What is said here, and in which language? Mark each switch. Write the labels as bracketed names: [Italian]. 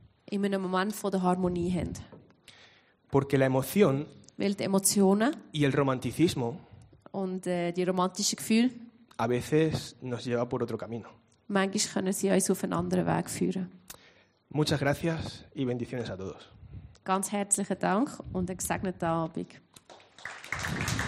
[German] In einem Moment von der Harmonie habt. [Spanish] Porque la emoción, [German] weil die Emotionen [Spanish] y el romanticismo [German] und die romantische Gefühle [Spanish] a veces nos lleva por otro camino. [German] Manchmal können sie uns auf einen anderen Weg führen. [Spanish] Muchas gracias y bendiciones a todos. [German] Ganz herzlichen Dank und einen gesegneten Abend.